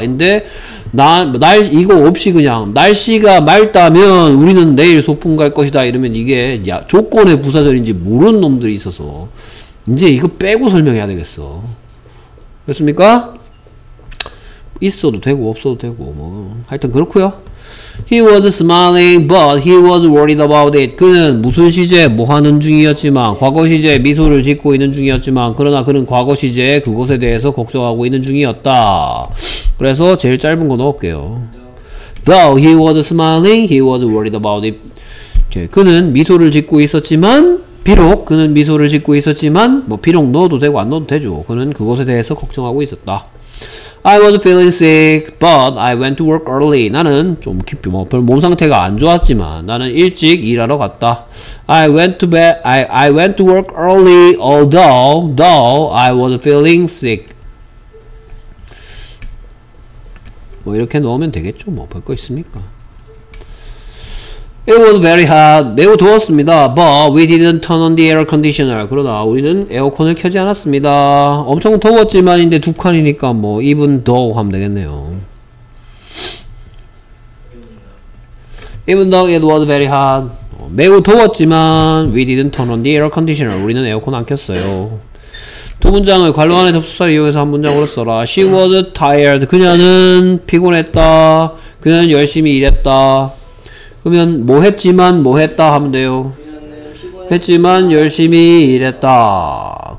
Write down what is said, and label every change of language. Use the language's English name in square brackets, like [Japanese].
[Korean] 근데 이거 없이 그냥 날씨가 맑다면 우리는 내일 소풍 갈 것이다 이러면 이게 야, 조건의 부사절인지 모르는 놈들이 있어서 이제 이거 빼고 설명해야 되겠어. 됐습니까? 있어도 되고 없어도 되고 뭐 하여튼 그렇고요. [English] He was smiling but he was worried about it. [Korean] 그는 무슨 시제 뭐 하는 중이었지만 과거 시제 미소를 짓고 있는 중이었지만 그러나 그는 과거 시제 그것에 대해서 걱정하고 있는 중이었다. 그래서 제일 짧은 거 넣을게요. [English] Though he was smiling he was worried about it. [Korean] 오케이. 그는 미소를 짓고 있었지만 비록 그는 미소를 짓고 있었지만 뭐 비록 넣어도 되고 안 넣어도 되죠. 그는 그것에 대해서 걱정하고 있었다. [English] I was feeling sick, but I went to work early. [Korean] 나는 좀 깊이 뭐 별 몸 상태가 안 좋았지만 나는 일찍 일하러 갔다. [English] I went to work early, although I was feeling sick. [Korean] 뭐 이렇게 넣으면 되겠죠. 뭐 별 거 있습니까? [English] It was very hot. [Korean] 매우 더웠습니다. [English] But we didn't turn on the air conditioner. [Korean] 그러나 우리는 에어컨을 켜지 않았습니다. 엄청 더웠지만 이제 두 칸이니까 뭐 even though 하면 되겠네요. [English] Even though it was very hot. [Korean] 매우 더웠지만 [English] we didn't turn on the air conditioner. [Korean] 우리는 에어컨 안 켰어요. 두 문장을 관로안의 접속사를 이용해서 한 문장으로 써라. [English] She was tired. [Korean] 그녀는 피곤했다. 그녀는 열심히 일했다. 그러면 뭐 했지만 뭐 했다 하면 돼요. 했지만 열심히 일했다.